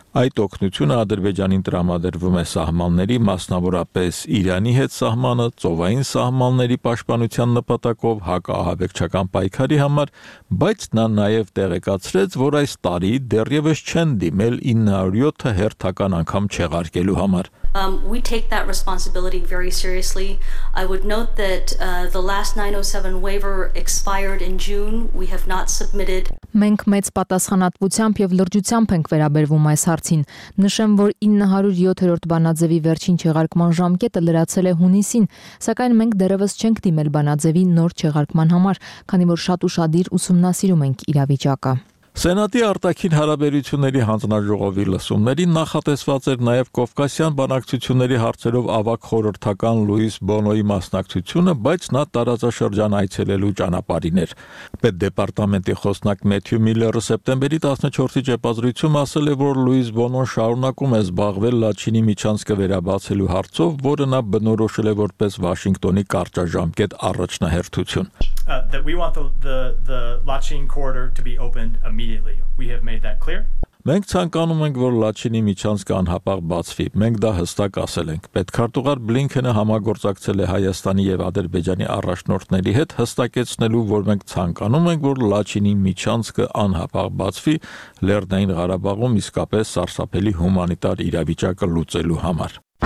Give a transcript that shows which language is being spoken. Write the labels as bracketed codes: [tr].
[hy] այդ օգնությունը Ադրբեջանին տրամադրվում է սահմանների, մասնավորապես Իրանի հետ սահմանը, ծովային սահմանների պաշտպանության նպատակով հակահավեկչական պայքարի համար, բայց նա նաև տեղեկացրեց, որ այս տարի դեռևս չեն դիմել 907-ը հերթական անգամ չեղարկելու համար։ [en] We take that responsibility very seriously. I would note that the last 907 waiver expired in June. We have not submitted. [hy] Մենք մեծ պատասխանատվությամբ եւ լրջությամբ ենք վերաբերվում այս հարցին։ Նշեմ, որ 907-րդ բանաձևի վերջին չեղարկման ժամկետը լրացել է հունիսին, սակայն մենք դեռևս չենք դիմել բանաձևի նոր չեղարկման համար, քանի որ շատ ուրախ ուսումնասիրում ենք իրավիճակը։ Սենատի արտաքին հարաբերությունների հանձնաժողովի լսումներին նախատեսված էր նաև Կովկասյան բանակցությունների հարցերով ավագ խորհրդական Լուիս Բոնոյի մասնակցությունը, բայց նա տարածաշրջան այցելելու ճանապարհին էր։ Պետ դեպարտամենտի խոսնակ Մեթյու Միլլերը սեպտեմբերի 14-ի ճեպազրույցում ասել է, որ Լուիս Բոնոն շարունակում է զբաղվել Լաչինի միջանցքը վերաբացելու հարցով, որը նա բնորոշել է որպես Վաշինգտոնի կարճաժամկետ առաջնահերթություն։ [en] That we want the Lachin corridor to be opened immediately. We have made that clear. [hy] Մենք ցանկանում ենք, որ Լաչինի միջանցքը անհապաղ բացվի։ Մենք դա հստակ ասել ենք։ Պետք արտուղար Բլինքենը համագործակցել է Հայաստանի եւ Ադրբեջանի առաջնորդների հետ, հստակեցնելու, որ մենք ցանկանում ենք, որ Լաչինի միջանցքը անհապաղ բացվի Լեռնային Ղարաբաղում իսկապես սարսափելի հումանիտար իրավիճակը լուծելու համար։